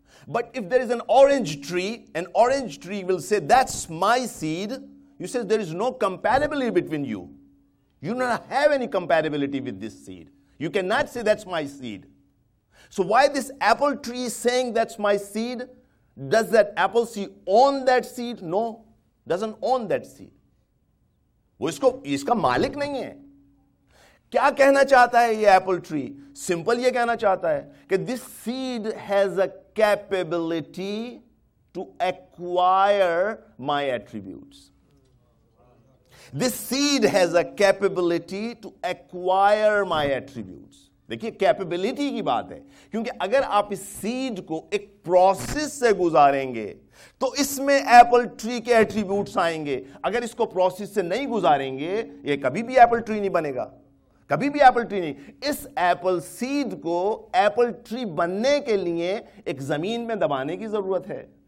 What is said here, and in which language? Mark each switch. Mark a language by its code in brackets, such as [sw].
[en] But if there is an orange tree will say, that's my seed, you say there is no compatibility between you. You do not have any compatibility with this seed. You cannot say, that's my seed. So why this apple tree is saying that's my seed? Does that apple seed own that seed? No, doesn't own that seed. [hi] वो इसको इसका मालिक नहीं है। क्या कहना चाहता है ये apple tree? [en] Simple [hi] ये कहना चाहता है कि [en] this seed has a capability to acquire my attributes. This seed has a capability to acquire my attributes. [hi] देखिए कैपेबिलिटी की बात है, क्योंकि अगर आप इस सीड को एक प्रोसेस से गुजारेंगे तो इसमें एप्पल ट्री के एट्रीब्यूट्स आएंगे। अगर इसको प्रोसेस से नहीं गुजारेंगे ये कभी भी एप्पल ट्री नहीं बनेगा, कभी भी एप्पल ट्री नहीं। इस एप्पल सीड को एप्पल ट्री बनने के लिए एक जमीन में दबाने की जरूरत है,